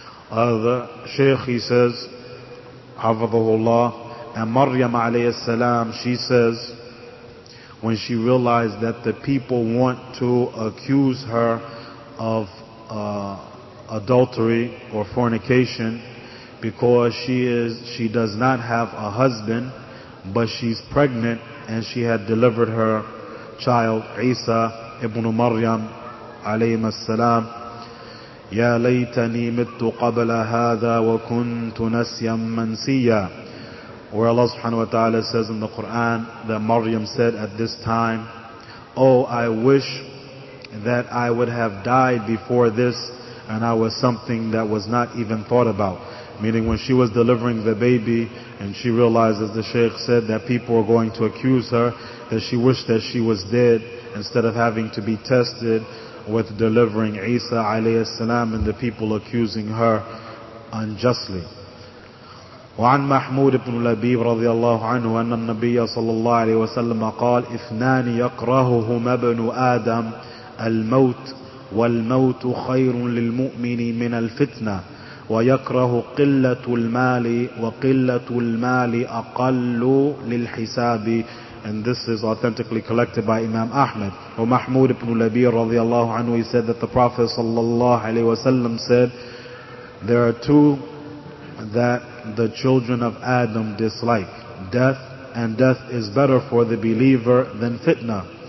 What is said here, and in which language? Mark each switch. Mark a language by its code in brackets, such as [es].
[en] The Shaykh, he says, Hafizahullah, and Maryam alayhi salam, she says, when she realized that the people want to accuse her of adultery or fornication, because she does not have a husband, but she's pregnant and she had delivered her child, Isa ibn Maryam [ar] عليهما السلام: يا ليتني مت قبل هذا وكنت نسيا منسيا. [en] Where Allah subhanahu wa ta'ala says in the Quran that Maryam said at this time, "Oh, I wish that I would have died before this and I was something that was not even thought about." Meaning when she was delivering the baby and she realized, as the Shaykh said, that people were going to accuse her, that she wished that she was dead instead of having to be tested with delivering Isa alayhi salam and the people accusing her unjustly. [ar] وعن محمود بن لبيب رضي الله عنه أن النبي صلى الله عليه وسلم قال: اثنان يكرههما ابن آدم: الموت، والموت خير للمؤمن من الفتنة، ويكره قلة المال، وقلة المال أقل للحساب. [en] And this is authentically collected by Imam Ahmed. [ar] ومحمود بن لبيب رضي الله عنه, [en] he said that the Prophet صلى الله عليه وسلم said, there are two that the children of Adam dislike: death, and death is better for the believer than fitna.